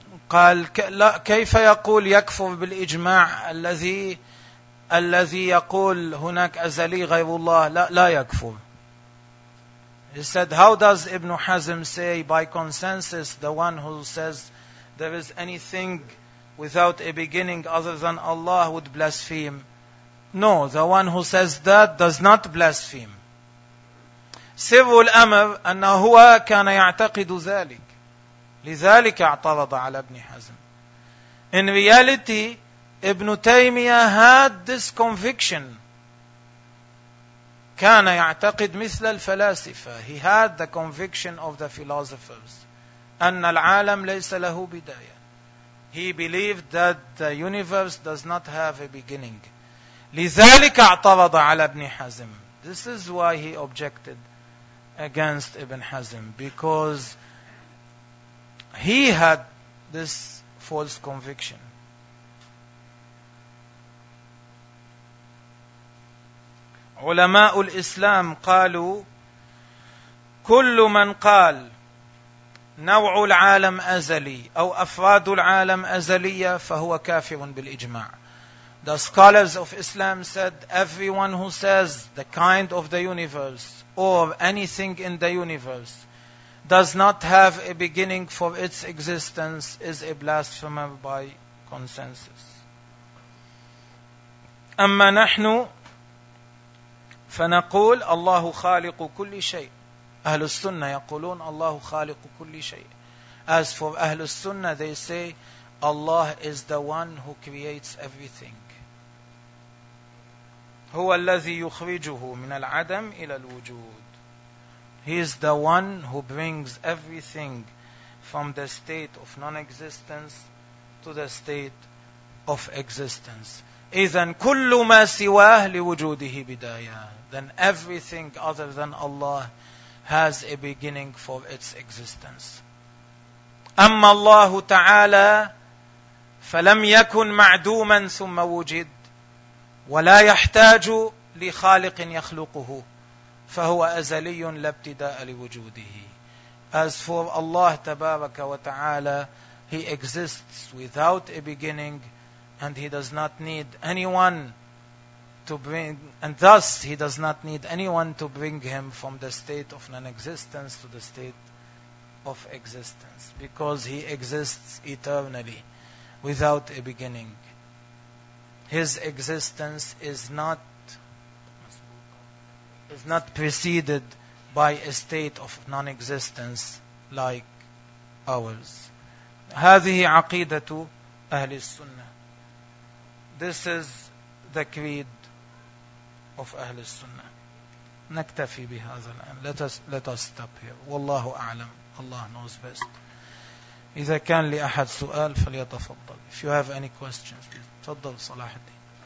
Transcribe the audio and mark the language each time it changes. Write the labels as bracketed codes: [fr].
[ar] قال لا, كيف يقول يكفر بالإجماع الذي يقول هناك أزلي غير الله؟ لا يكفر. [en] He said, how does ابن حزم say by consensus the one who says there is anything without a beginning other than Allah would blaspheme? No, the one who says that does not blaspheme. [ar] سر الأمر أنه كان يعتقد ذلك لذلك اعترض على ابن حزم. [en] In reality, ابن تيمية had this conviction. [ar] كان يعتقد مثل الفلاسفة. [en] He had the conviction of the philosophers. [ar] أن العالم ليس له بداية. [en] He believed that the universe does not have a beginning. [ar] لذلك اعترض على ابن حزم. [en] This is why he objected against Ibn Hazm. Because he had this false conviction. [ar] علماء الإسلام قالوا كل من قال نوع العالم أزلي أو أفراد العالم أزلية فهو كافر بالإجماع. [en] The scholars of Islam said, everyone who says the kind of the universe or anything in the universe does not have a beginning for its existence is a blasphemer by consensus. [ar] أما نحن فنقول الله خالق كل شيء. أهل السنة يقولون الله خالق كل شيء. [en] As for أهل السنة, they say Allah is the one who creates everything. [ar] هو الذي يخرجه من العدم إلى الوجود. [en] He is the one who brings everything from the state of non-existence to the state of existence. [ar] إذن كل ما سواه لوجوده بداية. [en] Then everything other than Allah has a beginning for its existence. [ar] أما الله تعالى فلم يكن معدوما ثم وجد ولا يحتاج لخالق يخلقه فهو أزلي لا ابتداء لوجوده. [en] As for Allah [ar] تبارك وتعالى, [en] He exists without a beginning, and He does not need anyone to bring, and thus He does not need anyone to bring Him from the state of non-existence to the state of existence, because He exists eternally without a beginning. His existence is not preceded by a state of non-existence like ours. [ar] هذه عقيدة أهل السنة. [en] This is the creed of أهل السنة. [ar] نكتفي بهذا الآن. [en] Let us stop here. [ar] والله أعلم. [en] Allah knows best. [ar] إذا كان لأحد سؤال فليتفضل. [en] If you have any questions, تفضل صلاح الدين.